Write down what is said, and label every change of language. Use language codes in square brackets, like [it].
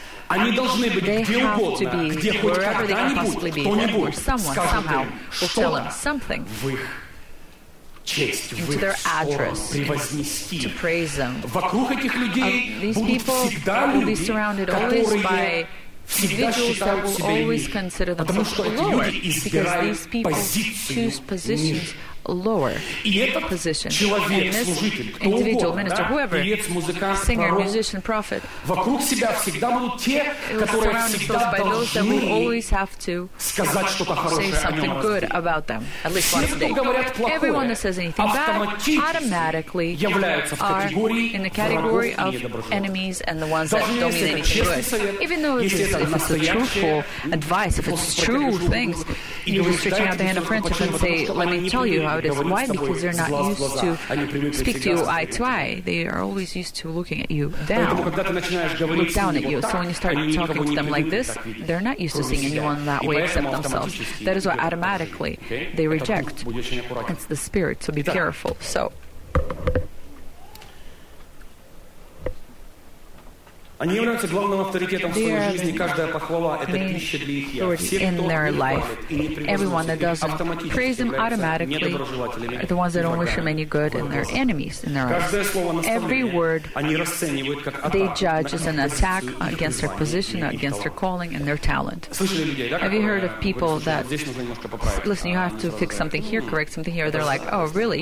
[en] They have to be wherever they can possibly be, or someone somehow will tell them something into their address to praise them. These people will be surrounded always by individuals that will always consider themselves lower, because these people choose positions lower position. [ru] Человек, [en] and this [ru] служитель, [en] individual [ru] угодно, [en] minister, [ru] да? [en] Whoever, [ru] певец, музыкант, [en] singer, [ru] порог, [en] musician, prophet, [ru] вокруг себя всегда будут те, которые всегда должны сказать что-то хорошее, [en] say something good about them, at least once a day. Everyone that says anything bad automatically are in the category of enemies and the ones that don't mean anything good. Even though if it's a truthful advice, if it's true things, you're stretching out the hand of friendship and say, let me tell you how it is. Why? Because they're not used to speak to you eye to eye. They are always used to looking at you down, look down at you. So when you start talking to them like this, they're not used to seeing anyone that way except themselves. That is why automatically they reject. It's the spirit, so be careful. So [ru] они являются главным авторитетом в своей жизни. Каждая похвала — это пища для их я. Все, [en] in their life, everyone that doesn't praise them automatically are the ones that don't wish them any good, and their enemies in their eyes. Every word they judge is an attack against their position, against their calling and their talent. Have you heard of people that, listen, you have to fix something here, correct something here? They're like, oh, really?